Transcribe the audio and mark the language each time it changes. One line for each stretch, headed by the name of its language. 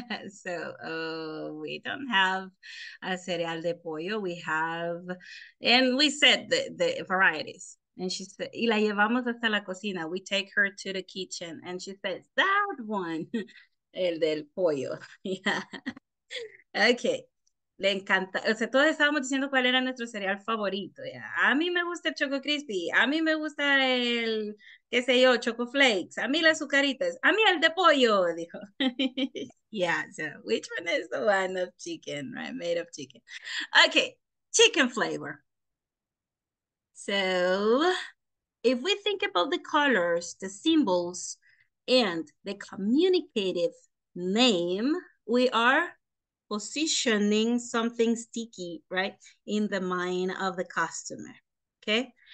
English: So, we don't have a
Spanish: cereal de pollo.
English: We have, and we said the varieties. And she said,
Spanish: y la llevamos hasta la cocina.
English: We take her to the kitchen. And she says, that one,
Spanish: el del pollo.
English: Yeah. Okay.
Spanish: Le encanta. O sea, todos estábamos diciendo cuál era nuestro cereal favorito. Yeah. A mí me gusta el Choco Crispy. A mí me gusta el, qué sé yo, Choco Flakes. A mí las azucaritas. A mí el de pollo, dijo.
English: Yeah, so which one is the one of chicken, right? Made of chicken. Okay, chicken flavor. So, if we think about the colors, the symbols, and the communicative name, we are positioning something sticky, right, in the mind of the customer, okay?